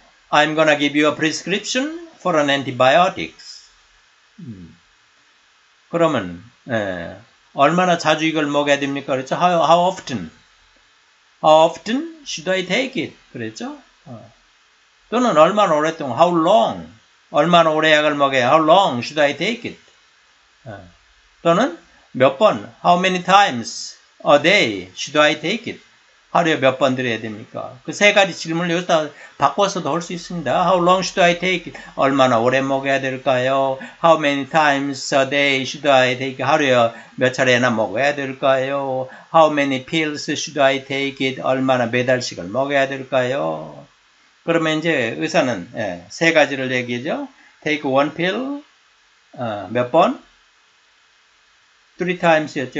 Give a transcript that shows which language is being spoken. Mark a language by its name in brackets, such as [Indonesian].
[English] I'm gonna give you a prescription for an antibiotics. [Korean] 그러면 얼마나 자주 이걸 먹어야 됩니까? [English] 그랬죠? How often? How often should I take it? 그랬죠? [Korean] 또는 얼마나 오랫동안? [English] How long? [Korean] 얼마나 오래 약을 먹어야? [English] How long should I take it? [Korean] 또는 몇 번? [English] How many times a day should I take it? [Korean] 하루에 몇 번 드려야 됩니까? 그 세 가지 질문을 여기서 바꿔서도 할 수 있습니다. [English] How long should I take it? [Korean] 얼마나 오래 먹어야 될까요? [English] How many times a day should I take it? [Korean] 하루에 몇 차례나 먹어야 될까요? [English] How many pills should I take it? [Korean] 얼마나 매달씩을 먹어야 될까요? 그러면 이제 의사는 세 가지를 얘기하죠. [English] Take one pill, [Korean] 몇 번? [English] three times [Korean] 였죠.